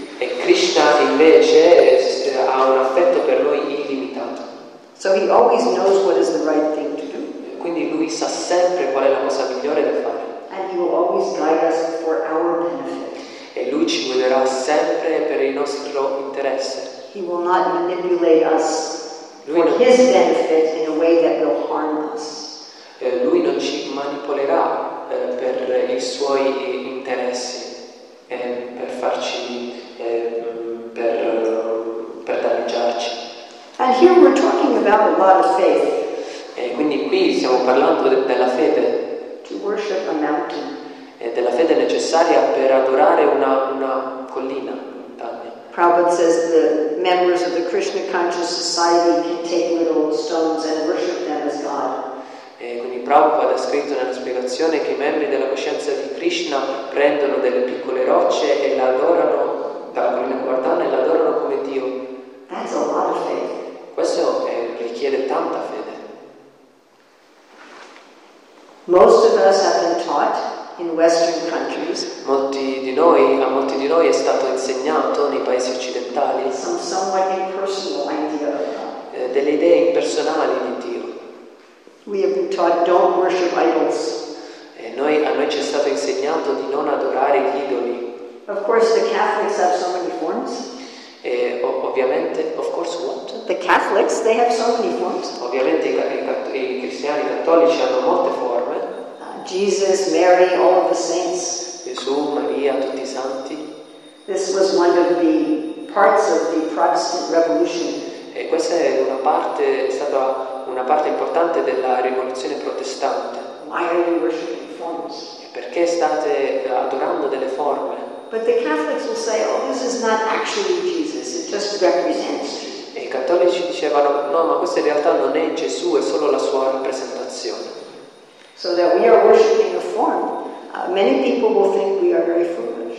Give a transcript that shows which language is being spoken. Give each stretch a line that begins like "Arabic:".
Italian: E Krishna invece ha un affetto per noi illimitato.
English: So he always knows what is the right thing to do.
Italian: Quindi lui sa sempre qual è la cosa migliore da fare.
English: And he will always guide us for our benefit.
Italian: E lui ci guiderà sempre per il nostro interesse.
English: He will not manipulate us for his benefit in a way that will harm us.
Italian: Lui non ci manipolerà per i suoi interessi. Per farci per danneggiarci.
English: And here we're talking about a lot of faith.
Italian: E quindi qui stiamo parlando della fede.
English: To worship a mountain.
Italian: E della fede necessaria per adorare una collina, montagna.
English: Prabhupada says the members of the Krishna conscious society can take little stones and worship them as God.
Italian: E quindi Prabhupada ha scritto nella spiegazione che i membri della coscienza di Krishna prendono delle piccole rocce e la adorano dalla collina guardana e la adorano come Dio.
English: That's a lot of faith.
Italian: Questo richiede tanta fede.
English: Most of us have been taught in Western countries.
Italian: Molti di noi è stato insegnato nei paesi occidentali.
English: Some somewhat impersonal idea.
Italian: Delle idee impersonali di Dio.
English: We have been taught don't worship idols.
Italian: A noi ci è stato insegnato di non adorare gli idoli.
English: Of course the Catholics have so many forms.
Italian: Ovviamente,
English: of course what? The Catholics, they have so many forms.
Italian: Ovviamente i cristiani cattolici hanno molte forme.
English: Jesus, Mary, all of the saints.
Italian: Gesù, Maria, tutti i santi.
English: This was one of the parts of the Protestant Revolution.
Italian: E questa è una parte, è stata una parte importante della rivoluzione protestante.
English: Why are you worshiping forms?
Italian: Perché state adorando delle forme?
English: But the Catholics will say, oh, this is not actually Jesus, it just represents Jesus.
Italian: E i cattolici dicevano, no, ma questo in realtà non è Gesù, è solo la sua rappresentazione.
English: So that we are worshiping a form, many people will think we are very foolish.